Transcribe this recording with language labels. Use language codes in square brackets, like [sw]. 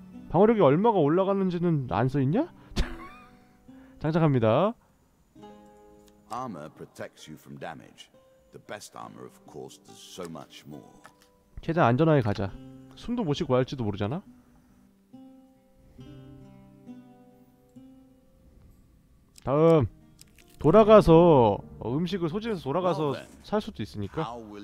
[ko] 방어력이 얼마가 올라가는지는 안 써 있냐? 장착합니다. [en] Armor protects you from damage. The best armor, of course, does so much more. [ko] 최대한 안전하게 가자. 숨도 못 쉬고 할지도 모르잖아. 다음 돌아가서 음식을 소진해서 돌아가서 살 수도 있으니까.